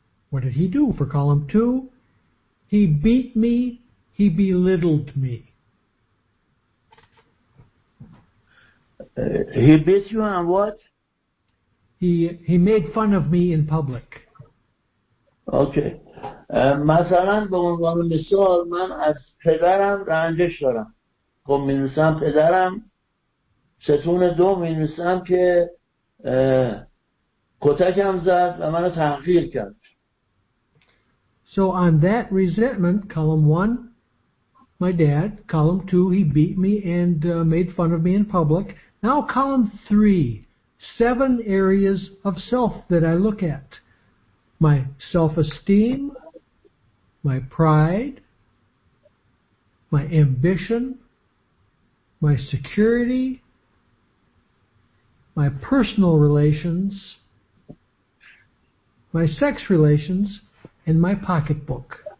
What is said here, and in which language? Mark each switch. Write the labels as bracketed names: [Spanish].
[English] What did he do for column two? He beat me, he belittled me. He beat you on what? He made fun of me in public. Okay. [Persian] مثلا به عنوان مثال من از پدرم رنجش دارم. خب می نویسم پدرم ستون دو می نویسم که کتکم زد و منو تحقیر کرد. [English] So on that resentment, column one, my dad, column two, he beat me and made fun of me in public. Now column three, seven areas of self that I look at. My self-esteem, my pride, my ambition, my security, my personal relations, my sex relations, in my pocketbook.